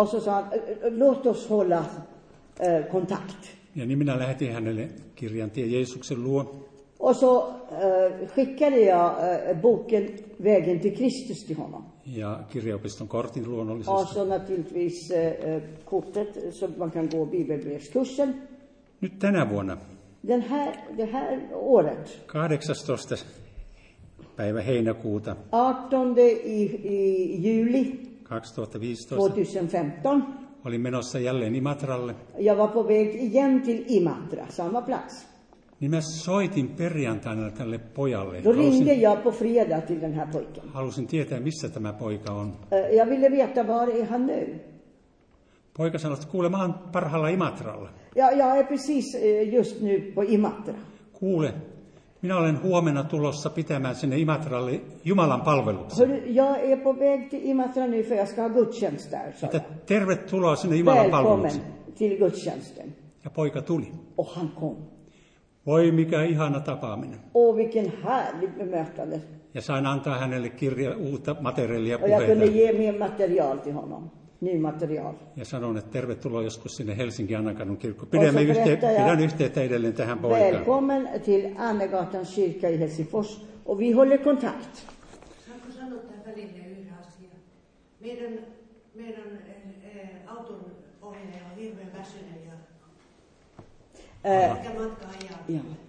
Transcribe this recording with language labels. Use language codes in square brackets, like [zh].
[sv] Och så sa han, låt oss hålla kontakt. [fi] Ja niin minä lähetin hänelle kirjan Tie Jeesuksen luo. [sv] Och så skickade jag boken Vägen till Kristus till honom. [fi] Ja kirjaopiston kortin luonnollisesti. [sv] Och så naturligtvis kortet så man kan gå bibelbrevskursen. [fi] Nyt tänä vuonna. [sv] Det här året. [fi] 18. päivä heinäkuuta. [sv] 18. i juli. [fi] 2015. Olin menossa jälleen Imatralle. [sv] Jag var på väg igen till Imatra, samma plats. [fi] Niin mä soitin perjantaina tälle pojalle. [sv] Då ringde jag på fredag till den här pojken. [fi] Halusin tietää, missä tämä poika on. [sv] Jag ville veta, var är han nu? [fi] Poika sanoi, että kuule, mä oon parhaalla Imatralla. [sv] Ja, är precis just nu på Imatra. [fi] Kuule, minä olen huomenna tulossa pitämään sinne Imatralle Jumalan palveluksen. [sv] Jag är på väg till Imatra nu för jag ska ha gudstjänst där. [fi] Että tervetuloa sinne Jumalan palveluksen. [sv] Välkommen till gudstjänsten. [fi] Ja poika tuli. [sv] Och han kom. [fi] Voi mikä ihana tapaaminen. [sv] Och vilken härlig bemötande. [fi] Ja sain antaa hänelle kirja uutta materiaalia puheita. [sv] Och jag kunde ge mig material till honom. Ny material. [fi] Ja sanon, että tervetuloa joskus sinne Helsingin Annakadun kirkko. Pidän yhteyttä edelleen tähän poikaan. [sv] Välkommen till Annegatan kyrka i Helsingfors. Och vi håller kontakt. [fi] Saanko sanoa tähän välineen yhden asian? Meidän auton ohjaaja on hirveän väsynyt ja ehkä matka ajaa.